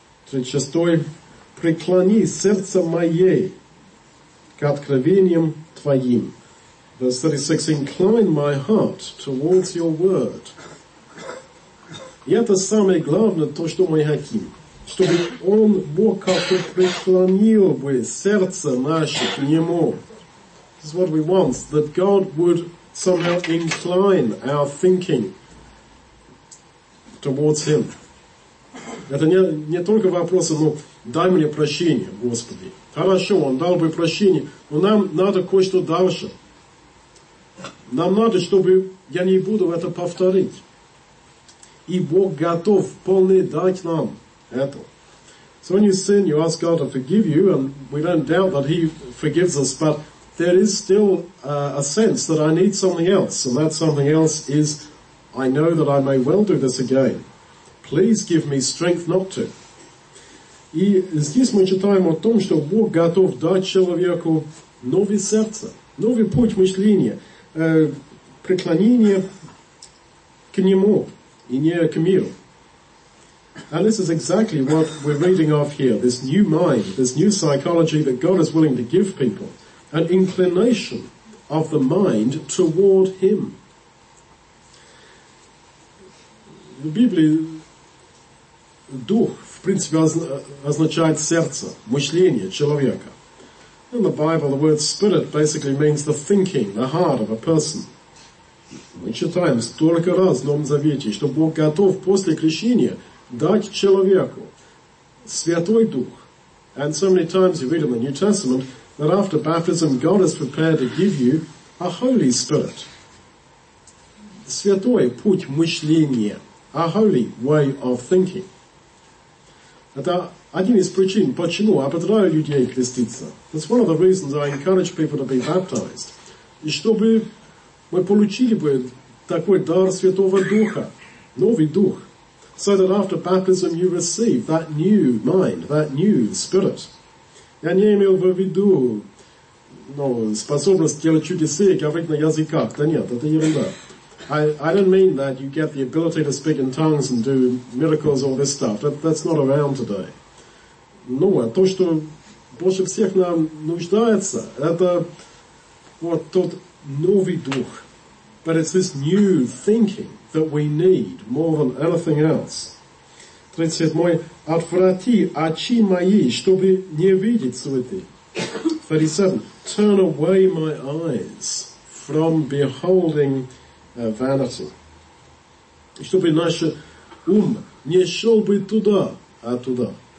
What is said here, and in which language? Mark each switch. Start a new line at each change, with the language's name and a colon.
Russian: 36. Преклони сердце мое к откровениям твоим.
English: Verse 36. Incline my heart towards your word.
Russian: И это самое главное, то, что мы хотим. Чтобы он, Бог, как-то преклонил бы сердце наше к нему.
English: This is what we want, that God would somehow incline our thinking towards him.
Russian: Это не только вопрос, но дай мне прощение, Господи. Хорошо, он дал бы прощение, но нам надо кое-что дальше. Нам надо, чтобы я не буду это повторить. И Бог готов полный дать нам это.
English: So when you sin, you ask God to forgive you, and we don't doubt that he forgives us, but there is still a sense that I need something else, and that something else is, I know that I may well do this again. Please give me strength not to.
Russian: И здесь мы читаем о том, что Бог готов дать человеку новое сердце, новый путь мышления, преклонение к нему. И не к миру.
English: And this is exactly what we're reading of here. This new mind, this new psychology that God is willing to give people. An inclination of the mind toward him.
Russian: В Библии дух, в принципе, означает сердце, мышление человека.
English: In the Bible, the word spirit basically means the thinking, the heart of a person.
Russian: Мы читаем столько раз в Новом Завете, что Бог готов после крещения дать человеку Святой Дух.
English: And so many times you read in the New Testament that after baptism God is prepared to give you a Holy Spirit.
Russian: Святой путь мышления.
English: A holy way of thinking.
Russian: Это один из причин, почему ободряю людей креститься.
English: That's one of the reasons I encourage people to be baptized.
Russian: И чтобы мы получили бы такой дар Святого Духа, новый дух,
English: so that after baptism you receive that new mind, that new spirit.
Russian: Я не имел бы в виду способность делать чудеса, говорить на языках. Да нет, это ерунда.
English: I don't mean that you get the ability to speak in tongues and do miracles, all this stuff. That's not around today.
Russian: Но то, что больше всех нам нуждается, это вот тот новый дух.
English: But it's this new thinking that we need more than anything else.
Russian: 37. Отврати очи мои, чтобы не видеть суеты.
English: 37, turn away my eyes from beholding vanity.
Russian: Чтобы наше ум не шел бы туда, а туда.